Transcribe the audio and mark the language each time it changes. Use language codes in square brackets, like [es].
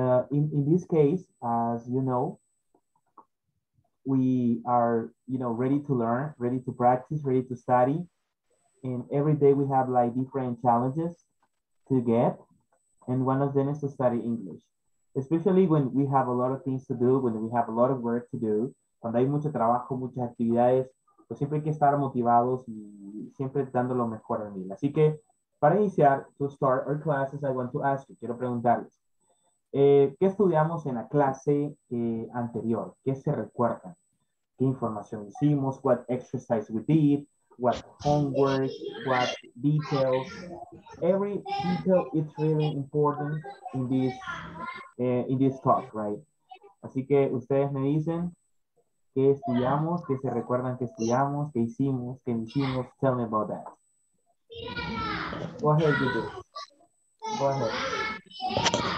[en] In this case, as you know, we are, you know, ready to learn, ready to practice, ready to study. And every day we have like different challenges to get. And one of them is to study English, especially when we have a lot of things to do, when we have a lot of work to do. [es] Cuando hay mucho trabajo, muchas actividades, pues siempre hay que estar motivados y siempre dando lo mejor en mí. Así que para iniciar, [en] to start our classes, I want to ask you, [es] quiero preguntarles. ¿Qué estudiamos en la clase anterior? ¿Qué se recuerdan? ¿Qué información hicimos? [en] ¿What exercise we did? ¿What homework? ¿What details? Every detail is really important in this talk, right? [es] Así que ustedes me dicen qué estudiamos, qué se recuerdan que estudiamos, qué hicimos. [en] Tell me about that. Go ahead, Judith. Go ahead.